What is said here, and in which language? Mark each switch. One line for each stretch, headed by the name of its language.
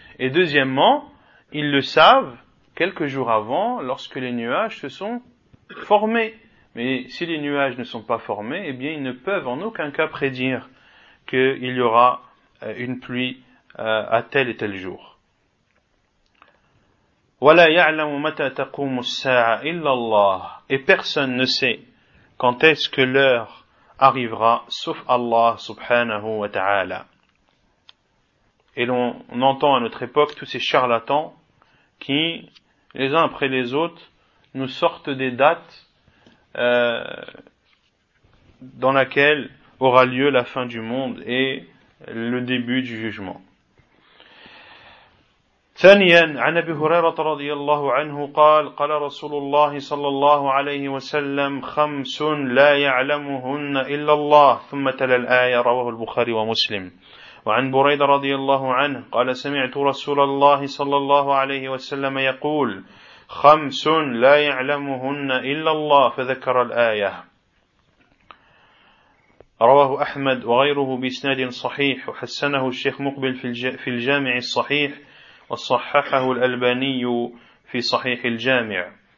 French: Et deuxièmement, ils le savent quelques jours avant, lorsque les nuages se sont formés. Mais si les nuages ne sont pas formés, eh bien, ils ne peuvent en aucun cas prédire qu'il y aura une pluie à tel et tel jour.
Arabic: ولا يعلم متى تقوم الساعة إلا الله.
French: Et personne ne sait quand est-ce que l'heure arrivera, sauf Allah subhanahu wa ta'ala. Et l'on entend à notre époque tous ces charlatans qui, les uns après les autres, nous sortent des dates dans laquelle aura lieu la fin du monde et le début du jugement.
Arabic: ثانيا عن أبي هريرة رضي الله عنه قال قال رسول الله صلى الله عليه وسلم خمس لا يعلمهن إلا الله ثم تلا الآية رواه البخاري ومسلم. وعن بريدة رضي الله عنه قال سمعت رسول الله صلى الله عليه وسلم يقول خمس لا يعلمهن إلا الله فذكر الآية رواه أحمد وغيره بإسناد صحيح وحسنه الشيخ مقبل في الجامع الصحيح وصححه الألباني في صحيح الجامع.